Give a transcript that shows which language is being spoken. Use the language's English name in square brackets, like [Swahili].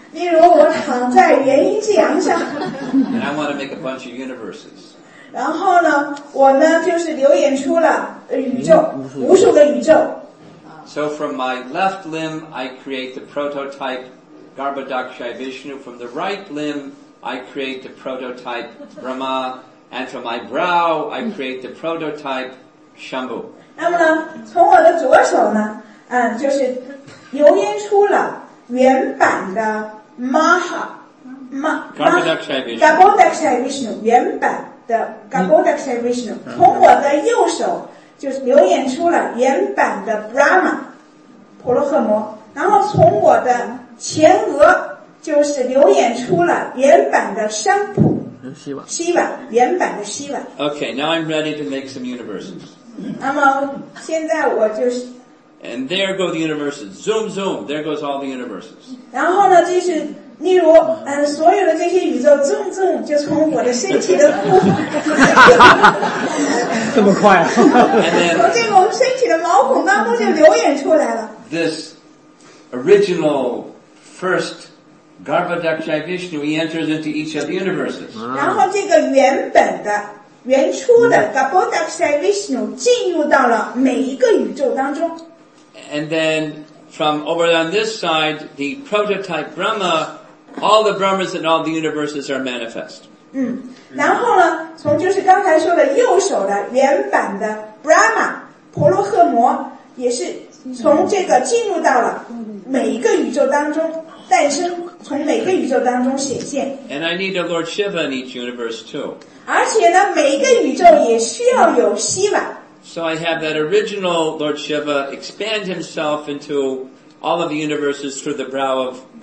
[Chinese] 例如我躺在元婴之洋上 [English] And I want to make a bunch of universes [Chinese] 然后呢我呢就是流演出了宇宙无数个宇宙 [English] So from my left limb I create the prototype Garbhadakshaya Vishnu from the right limb I create the prototype Brahma and from my brow I create the prototype Shambhu [Chinese] 那么呢从我的左手呢就是流演出了原版的 Maha Garbhadakshaya Vishnu 原版的 Garbhadakshaya Vishnu 从我的右手就是流演出了原版的 Brahma 婆罗诃摩然后从我的前额就是流演出了原版的 Shampu Shiva 原版的 Shiva [English] OK, now I'm ready to make some universes [Chinese] 那么现在我就是 [English] And there go the universes Zoom, zoom, there goes all the universes [Chinese] 然后呢就是例如所有的这些宇宙重重就从我的身体的部分这么快啊从这个身体的毛孔当中就流演出来了 [English] This original first Garbhadakshaya Vishnu he enters into each of the universes [Chinese] 然后这个原本的原初的 Garbhadakshaya Vishnu 进入到了每一个宇宙当中 [English] And then from over on this side the prototype BrahmaAll the Brahmas and all the universes are manifest. [Chinese] 嗯，然后呢，从就是刚才说的右手的原版的 Brahma 婆罗诃摩，也是从这个进入到了每一个宇宙当中诞生，从每个宇宙当中显现。 [English] And I need a Lord Shiva in each universe too. [Chinese] 而且呢，每一个宇宙也需要有 Shiva. [English] So I have that original Lord Shiva expand himself into all of the universes through the brow of.